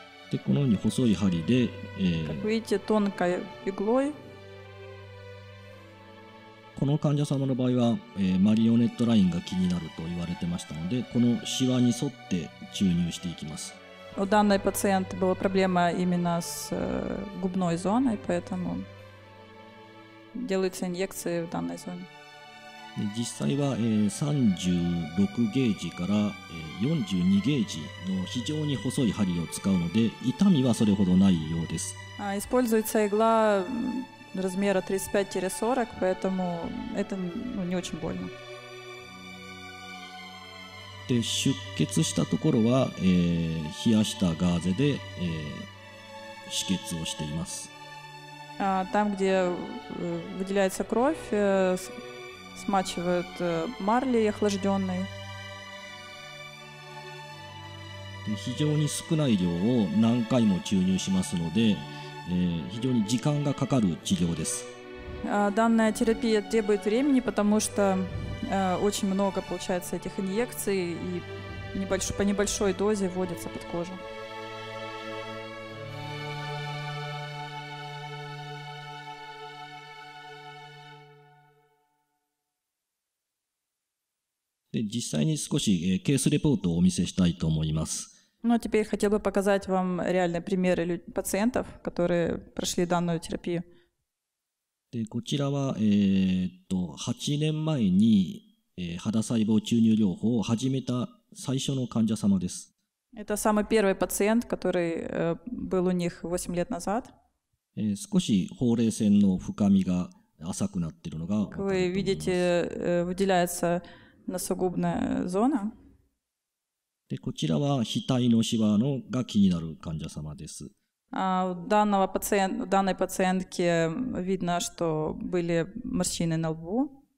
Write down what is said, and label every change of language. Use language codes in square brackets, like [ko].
[ja] で、このように細い針で、 [ru] как видите, тонкой иглой. [ja] この患者様の場合は、マリオネットラインが気になると言われてましたので、このシワに沿って注入していきます。 [ru] У данной пациентки была проблема именно с губной зоной, поэтому делаются инъекции в данной зоне. [ja] 実際は、36ゲージから、42ゲージの非常に細い針を使うので、痛みはそれほどないようです。 [ru] используется игла размера 35-40, поэтому это не очень больно. [ja] で、出血したところは、冷やしたガーゼで、止血をしています。 [ru] Там, где выделяется кровь, смачивают марлей охлажденной. [ja] 非常に少ない量を何回も注入しますので、非常に時間がかかる治療です。 [ru] Данная терапия требует времени, потому что очень много получается этих инъекций и по небольшой дозе вводятся под кожу. [ja] で、実際に少し、ケースレポートをお見せしたいと思います。 [ru] Ну, теперь хотел бы показать вам реальные примеры пациентов, которые прошли данную терапию. [ja] で、こちらは、8年前に、肌細胞注入療法を始めた最初の患者様です。 [ru] Это самый первый пациент, который был у них 8 лет назад. [ja] 少しほうれい線の深みが浅くなっているのが分かると思います。 [ru] Вы видите, выделяется носогубная зона. [ja] で、こちらは額のシワのが気になる患者様です。 [ru] данной пациентке видно, что были морщины на лбу.